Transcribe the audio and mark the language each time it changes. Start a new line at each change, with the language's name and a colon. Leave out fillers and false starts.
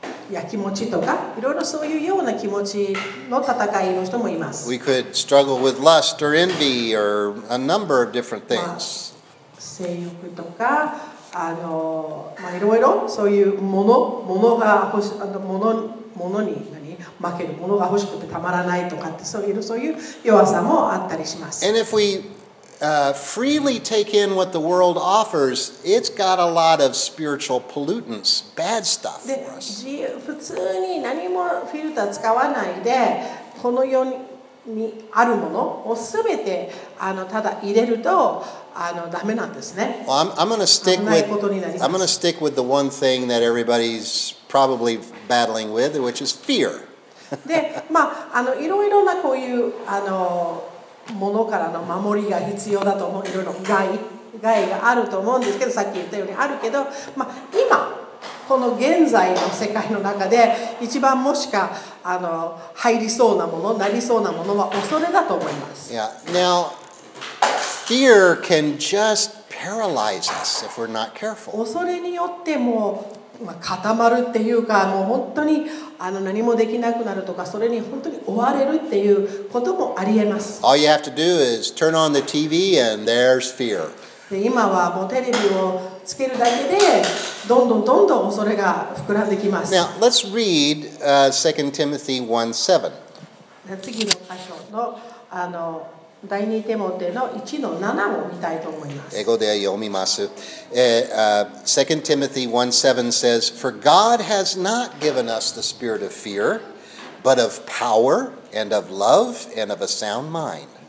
Japanese: やきもちとかいろいろそういうような気持ちの戦いの人もいます。
English: We could struggle with lust or envy or a number of different things.、
Japanese: まあ、性欲とかまあ、いろいろそういうものが欲しい、ものに何負けるものが欲しくてたまらないとかってそういう弱さもあったりします。
English: And if we freely take in what the world offers, it's got a lot of spiritual pollutants, bad stuff for us.
Japanese: 普通に何もフィルター使わないで、この世にあるものをすべてただ入れるとダメなんですね。
English: Well, I'm going to stick with the one thing that everybody's probably battling with, which is fear.
Japanese: で、まあ、いろいろなこういう、ものからの守りが必要だと思う。いろいろ害があると思うんですけど、さっき言ったようにあるけど、まあ、今この現在の世界の中で一番もしか入りそうなものなりそうなものは恐れだと思います。
English: Yeah. Now, fear can just paralyze us if we're not careful.
Japanese: 恐れによってもう、まあ、固まるっていうか、もう本当に何もできなくなるとか、それに本当に追われるっていうこともありえます。
English: All you have to do is turn on the TV and there's fear.
Japanese: で、今はもうテレビをつけるだけで、どんどんどんどん恐れが膨らんできます。
English: Now, let's read 2 Timothy 1:7.
Japanese: 次の箇所の第2テモテの 1-7 を見たいと思います。英語で読みます。
English: 2 Timothy 1:7 says, For God has not given us the spirit of fear, but of power and of love and of a sound mind.